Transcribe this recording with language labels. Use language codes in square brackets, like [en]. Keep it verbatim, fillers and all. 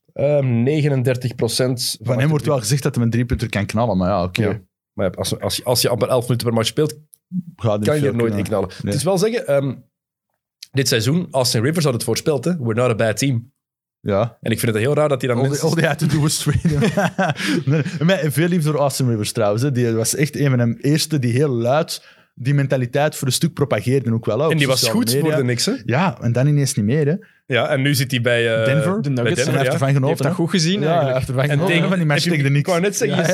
[nl] Um, negenendertig procent. Van, van hem wordt wel gezegd dat hij een driepunter kan knallen, maar ja, oké. Okay. Ja. Maar ja, als, als, je, als je amper elf minuten per match speelt, gaat kan je er nooit in knallen. Het is wel zeggen, um, dit seizoen, Austin Rivers had het voorspeld, hè? [en] We're not a bad team. [nl] Ja. En ik vind het heel raar dat hij dan [en] all [nl] mensen... [en] All they had to do was train him. [nl] Veel liefde door Austin Rivers trouwens. Hè. Die was echt een van de eerste die heel luid die mentaliteit voor een stuk propageerde ook wel. Hè, en die was goed media. Voor de niks, hè? Ja, en dan ineens niet meer, hè? Ja, en nu zit hij bij uh, Denver. De Nuggets. Bij Denver, en hij heeft ervan genoten. Heeft dat goed gezien, ja, eigenlijk. Hij heeft ervan genoten. En tegen, van die match tegen de Knicks. Ik wou net zeggen, je ja,